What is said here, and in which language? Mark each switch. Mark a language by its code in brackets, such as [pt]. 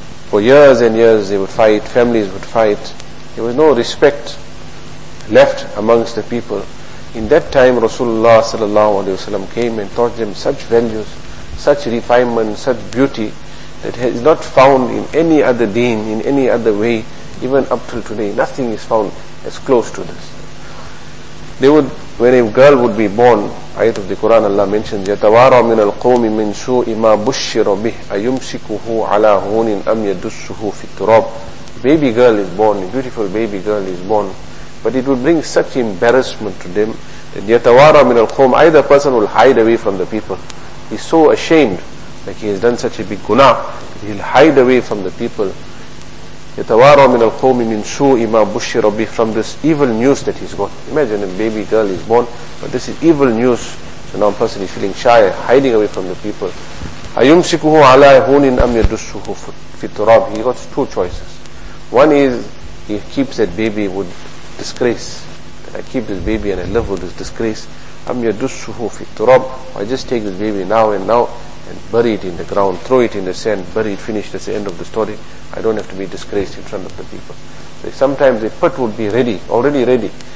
[en] For years and years they would fight, families would fight. There was no respect left amongst the people. In that time Rasulullah sallallahu alayhi wasallam came and taught them such values, such refinement, such beauty that is not found in any other deen, in any other way, even up till today. Nothing is found as close to this. They would, when a girl would be born, ayat of the Quran Allah mentions, [ar] يَتَوَارَ مِنَ الْقَوْمِ مِنْ سُوءِ مَا بُشِّرَ بِهِ أَيُمْسِكُهُ عَلَى هُونٍ أَمْ يَدُسُّهُ فِي التُرَابِ. [en] Baby girl is born, a beautiful baby girl is born, but it would bring such embarrassment to them. [ar] يَتَوَارَ مِنَ الْقَوْمِ, [en] either person will hide away from the people. He's so ashamed, like he has done such a big guna, he'll hide away from the people. [ar] يَتَوَارَ مِنَ الْقَوْمِ مِنْ سُوءِ مَا بُشِّرَ بِهِ, [en] from this evil news that he's got. Imagine a baby girl is born, but this is evil news. So now a person is feeling shy, hiding away from the people. [ar] أَيُمْسِكُهُ عَلَىٰ هُونٍ أَمْ يَدُسُّهُ فِي التُرَابِ. [en] He got two choices. One is, he keeps that baby with disgrace. That I keep this baby and I live with this disgrace. [ar] أَمْ يَدُسُّهُ فِي التُرَابِ. [en] I just take this baby now and bury it in the ground, throw it in the sand, bury it, finish, that's the end of the story. I don't have to be disgraced in front of the people. So sometimes the pit would be ready, already ready.